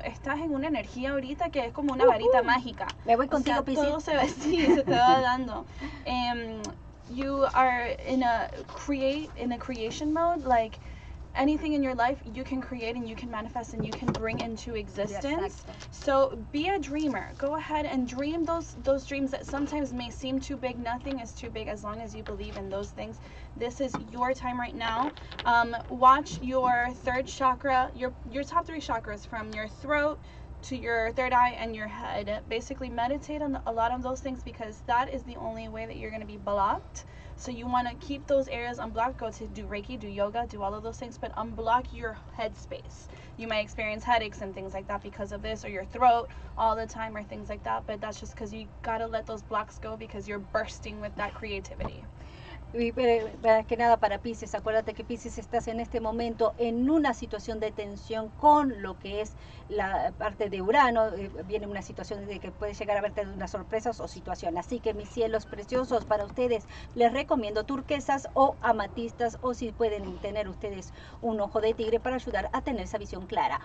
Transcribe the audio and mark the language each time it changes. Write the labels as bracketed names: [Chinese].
[Spanish] Estás en una energía ahorita que es como una varita mágica. Me voy contigo, o sea, Pisces. Todo se va, sí, se te va dando. [English] You are in a creation mode, like anything in your life you can create and you can manifest and you can bring into existence. Yes, so be a dreamer. Go ahead and dream those dreams that sometimes may seem too big. Nothing is too big as long as you believe in those things. This is your time right now. Watch your third chakra, your top three chakras, from your throat to your third eye and your head. Basically meditate on a lot of those things because that is the only way that you're going to be blocked. So you want to keep those areas unblocked. Go to do Reiki, do yoga, do all of those things, but unblock your head space. You might experience headaches and things like that because of this, or your throat all the time or things like that, but that's just because you got to let those blocks go because you're bursting with that creativity. [Spanish] Y más que nada para Pisces, acuérdate que Pisces estás en este momento en una situación de tensión con lo que es la parte de Urano, viene una situación de que puede llegar a verte de unas sorpresas o situación, así que mis cielos preciosos, para ustedes les recomiendo turquesas o amatistas, o si pueden tener ustedes un ojo de tigre para ayudar a tener esa visión clara.